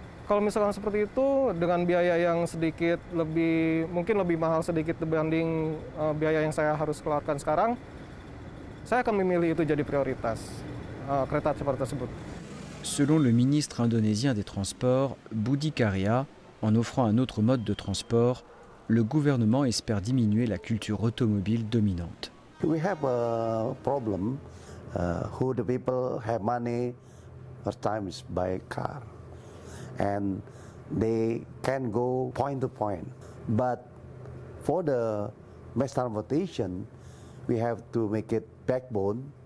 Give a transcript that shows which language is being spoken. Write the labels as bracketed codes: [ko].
[id] Kalau misalkan seperti itu dengan biaya yang sedikit lebih mungkin lebih mahal sedikit dibanding biaya yang saya harus keluarkan sekarang, saya akan memilih itu jadi prioritas kereta cepat tersebut. [fr] Selon le ministre indonésien des Transports, Budi Karya, en offrant un autre mode de transport, le gouvernement espère diminuer la culture automobile dominante. [en] We have a problem who the people have money at times by car and they can go point to point. But for the mass transportation, we have to make it backbone.